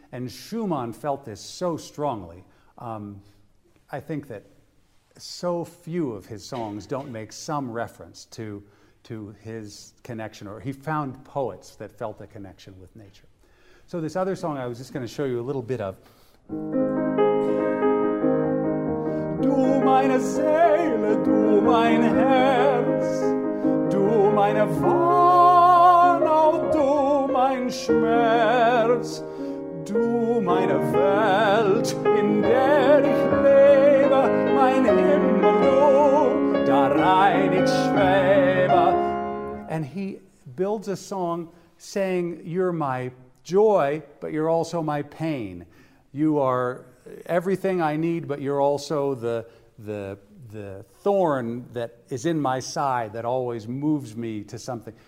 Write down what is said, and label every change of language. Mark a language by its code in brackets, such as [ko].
[en] And Schumann felt this so strongly. I think that so few of his songs don't make some reference to his connection, or he found poets that felt a connection with nature. So this other song I was just going to show you a little bit of. [de] Du meine Seele, du mein Herz, du meine Warnau, du mein Schmerz, du meine Welt, in der ich lebe, mein Himmel, du, darein ich schwebe. [en] And he builds a song saying, you're my joy, but you're also my pain. You are everything I need, but you're also the thorn that is in my side that always moves me to something.